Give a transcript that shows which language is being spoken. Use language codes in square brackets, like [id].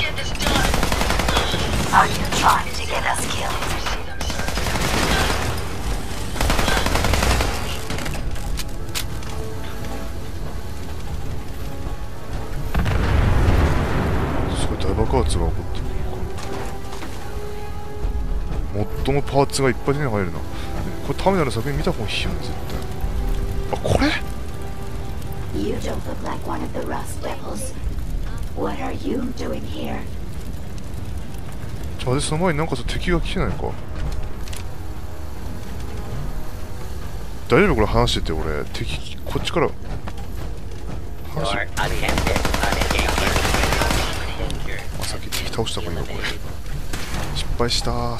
[ja] すごい大爆発が起こってる。最もパーツがいっぱい手に入るな。これターミナルの作品見た方がいいよね絶対。あ、これ [en] You don't look like one of the Rust Devils. What are you doing here? [ja] じゃあ、その前になんかさ、敵が来てないか。大丈夫これ話してて、俺。敵、こっちから。話して。さっき敵倒した方がいいか、これ。失敗したー。